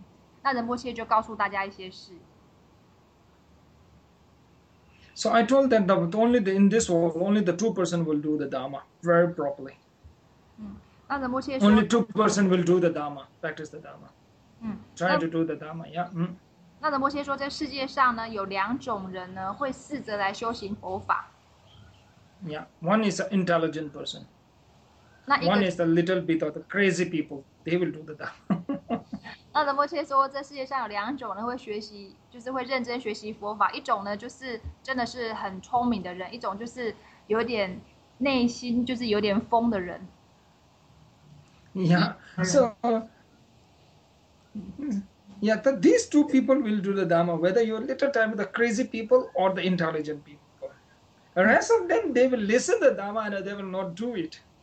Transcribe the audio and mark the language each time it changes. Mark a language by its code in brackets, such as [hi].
[zh] 那有一次呢，就是有个人呢，就问在仁波切上课的时候，就问一些非常有趣的好玩的问题，这样。那有些人呢，他就说有些人呢，可能对他的这个性格呢感到不开心。那仁波切就告诉大家一些事。 [en] So I told them that only in this world, only the two person will do the Dharma very properly. [zh] 那仁波切说。 [en] Only two person will do the Dharma, practice the Dharma, try to do the Dharma. Yeah. [zh] 那仁波切说，在世界上呢，有两种人呢，会试着来修行佛法。 [en] Yeah, one is an intelligent person. [zh] 那一个, [en] one is a little bit of the crazy people. They will do the Dharma. [zh] 那仁波切说，在世界上有两种人会学习，就是会认真学习佛法。一种呢，就是真的是很聪明的人；一种就是有点内心，就是有点疯的人。 [en] Yeah, so. Yeah, these two people will do the Dharma, whether you're a little time with the crazy people or the intelligent people. The rest of them, they will listen to the Dharma and they will not do it.